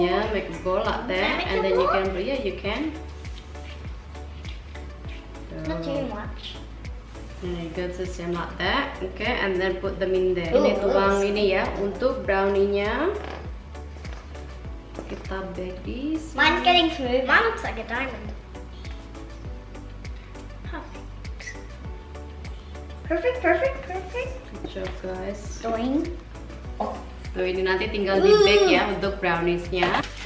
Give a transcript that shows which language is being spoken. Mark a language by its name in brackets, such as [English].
[English] Yeah, make a bowl like that. And then you can, yeah, you can. Not too much. There you go, the same like that. Okay, and then put them in there. [Indonesian] Ini tuang ini ya, untuk brownie-nya. Kita [English] bake this. Mine's getting smooth. Mine looks like a diamond. Perfect. Perfect, perfect, perfect. Good job, guys. Doing. [Indonesian] Tuh, ini nanti tinggal di bake ya untuk browniesnya.